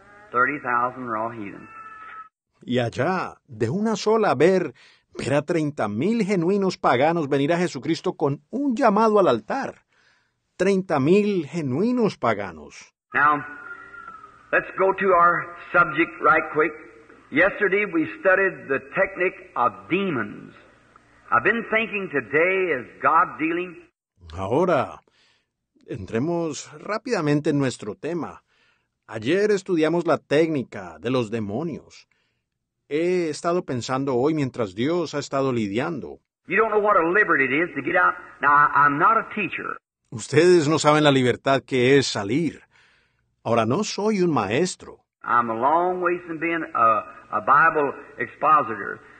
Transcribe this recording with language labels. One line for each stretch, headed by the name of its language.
English: 30,000 raw heathens.
Spanish: Y allá, de una sola ver a 30,000 genuinos paganos venir a Jesucristo con un llamado al altar. 30,000 genuinos paganos.
English: Now, let's go to our subject right quick. Yesterday we studied the technique of demons. I've been thinking today is God dealing.
Spanish: Ahora, entremos rápidamente en nuestro tema. Ayer estudiamos la técnica de los demonios. He estado pensando hoy mientras Dios ha estado lidiando.
English: You don't know what a liberty it is to get out. Now, I'm not a teacher.
Spanish: Ustedes no saben la libertad que es salir. Ahora, no soy un maestro.
English: I'm a long way from being a Bible expositor.